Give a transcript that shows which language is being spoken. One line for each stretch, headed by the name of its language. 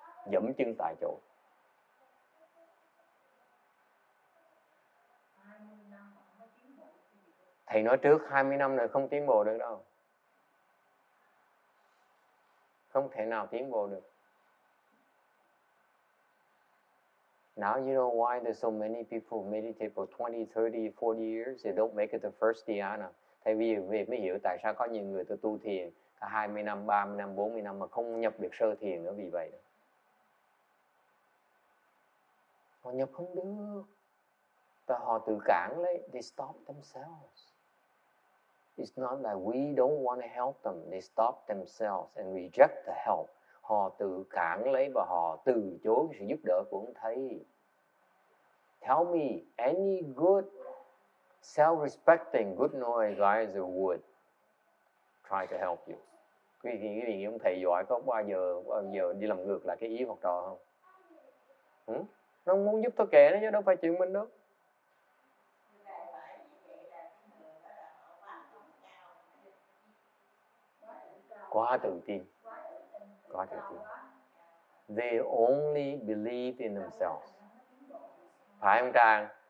Vietnamese: Dẫm chân tại chỗ. Thầy nói trước 20 năm rồi không tiến bộ được đâu. Không thể nào tiến bộ được.
English: Now you know why there's so many people meditate for 20, 30, 40 years. They don't make it the first dhyana.
Vietnamese: Thầy ví dụ về mới hiểu tại sao có nhiều người tôi tu thiền 20 năm, 30 năm, 40 năm mà không nhập được sơ thiền nữa vì vậy. Họ nhập không được. Tại họ tự cản lấy.
English: They stop themselves. It's not that we don't want to help them. They stop themselves and reject the help.
Vietnamese: Họ tự cản lấy và họ từ chối sự giúp đỡ của ông thầy.
English: Tell me, any good, self-respecting, good noise guys would try to help you.
Vietnamese: Quý vị nghĩ ông thầy giỏi có bao giờ đi làm ngược lại cái ý học trò không? Nó muốn giúp tôi kể nó chứ đâu phải chuyện mình đâu. Quá tự tin. Quá tự tin.
English: They only believe in themselves.
Vietnamese: Phải không Trang?